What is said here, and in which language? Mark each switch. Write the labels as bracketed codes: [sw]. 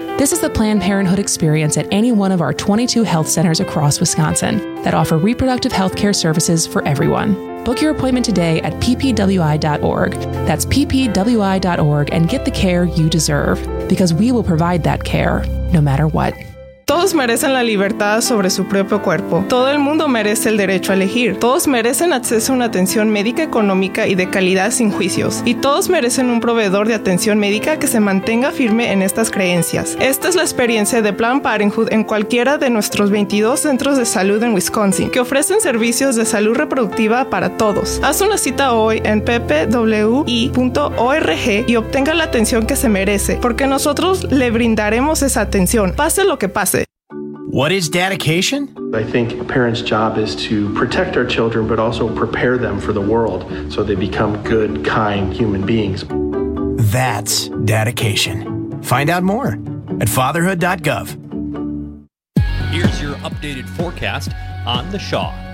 [en] This is the Planned Parenthood experience at any one of our 22 health centers across Wisconsin that offer reproductive healthcare services for everyone. Book your appointment today at ppwi.org. That's ppwi.org, and get the care you deserve, because we will provide that care no matter what. [es] Todos merecen la libertad sobre su propio cuerpo. Todo el mundo merece el derecho a elegir. Todos merecen acceso a una atención médica económica y de calidad sin juicios. Y todos merecen un proveedor de atención médica que se mantenga firme en estas creencias. Esta es la experiencia de Planned Parenthood en cualquiera de nuestros 22 centros de salud en Wisconsin, que ofrecen servicios de salud reproductiva para todos. Haz una cita hoy en ppwi.org y obtenga la atención que se merece, porque nosotros le brindaremos esa atención, pase lo que pase. [en] What is dedication? I think a parent's job is to protect our children, but also prepare them for the world so they become good, kind human beings. That's dedication. Find out more at fatherhood.gov. Here's your updated forecast on the Shaw.